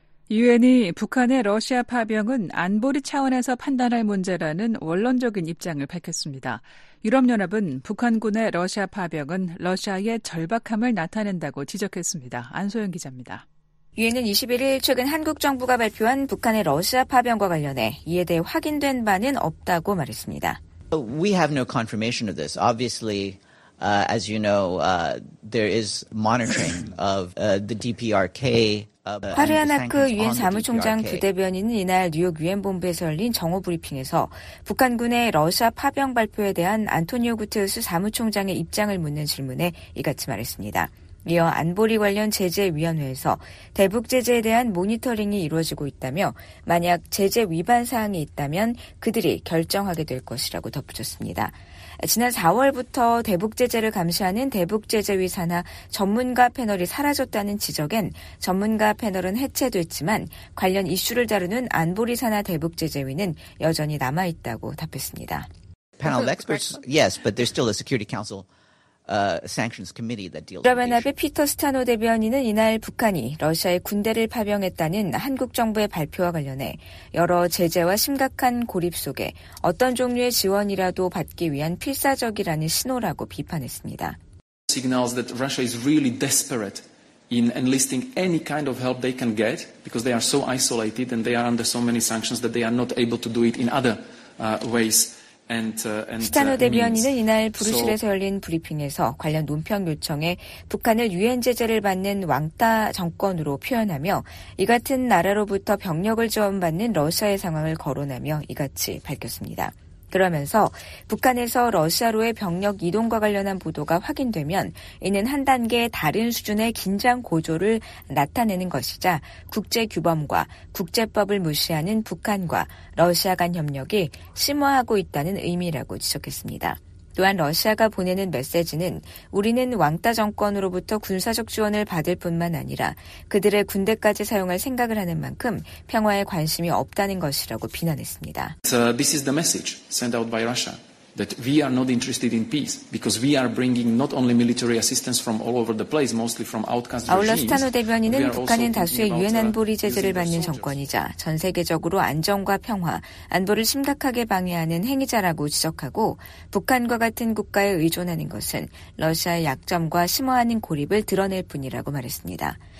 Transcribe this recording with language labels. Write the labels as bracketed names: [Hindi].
[Korean] 유엔이 북한의 러시아 파병은 안보리 차원에서 판단할 문제라는 원론적인 입장을 밝혔습니다. 유럽연합은 북한군의 러시아 파병은 러시아의 절박함을 나타낸다고 지적했습니다. 안소영 기자입니다. 유엔은 21일 최근 한국 정부가 발표한 북한의 러시아 파병과 관련해 이에 대해 확인된 바는 없다고 말했습니다. [English] We have no confirmation of this. Obviously, as you know, there is monitoring of the DPRK. [Korean] 파리아나크 유엔 사무총장 부대변인은 이날 뉴욕 유엔 본부에서 열린 정오 브리핑에서 북한군의 러시아 파병 발표에 대한 안토니오 구테우스 사무총장의 입장을 묻는 질문에 이같이 말했습니다. 이어 안보리 관련 제재위원회에서 대북 제재에 대한 모니터링이 이루어지고 있다며 만약 제재 위반 사항이 있다면 그들이 결정하게 될 것이라고 덧붙였습니다. 지난 4월부터 대북 제재를 감시하는 대북 제재위 산하 전문가 패널이 사라졌다는 지적엔 전문가 패널은 해체됐지만 관련 이슈를 다루는 안보리 산하 대북 제재위는 여전히 남아 있다고 답했습니다. [English] Panel experts, yes, but there's still a Security Council sanctions committee that deals. [Korean] 유럽연합의 피터 스타노 대변인은 이날 북한이 러시아에 군대를 파병했다는 한국 정부의 발표와 관련해 여러 제재와 심각한 고립 속에 어떤 종류의 지원이라도 받기 위한 필사적이라는 신호라고 비판했습니다. [English] Signals that Russia is really desperate in enlisting any kind of help they can get because they are so isolated and they are under so many sanctions that they are not able to do it in other ways. [Korean] 스타노 대변인은 이날 브뤼셀에서 열린 브리핑에서 관련 논평 요청에 북한을 유엔 제재를 받는 왕따 정권으로 표현하며 이 같은 나라로부터 병력을 지원받는 러시아의 상황을 거론하며 이같이 밝혔습니다. 그러면서 북한에서 러시아로의 병력 이동과 관련한 보도가 확인되면 이는 한 단계 다른 수준의 긴장 고조를 나타내는 것이자 국제 규범과 국제법을 무시하는 북한과 러시아 간 협력이 심화하고 있다는 의미라고 지적했습니다. 또한 러시아가 보내는 메시지는 우리는 왕따 정권으로부터 군사적 지원을 받을 뿐만 아니라 그들의 군대까지 사용할 생각을 하는 만큼 평화에 관심이 없다는 것이라고 비난했습니다. [English] So this is the message sent out by Russia that we are not interested in peace because we are bringing not only military assistance from all over the place, mostly from outcast regimes. [Korean] 아울러 스타노 대변인은 북한은 다수의 유엔 안보리 제재를 받는 정권이자 전 세계적으로 안정과 평화, 안보를 심각하게 방해하는 행위자라고 지적하고 북한과 같은 국가에 의존하는 것은 러시아의 약점과 심화하는 고립을 드러낼 뿐이라고 말했습니다.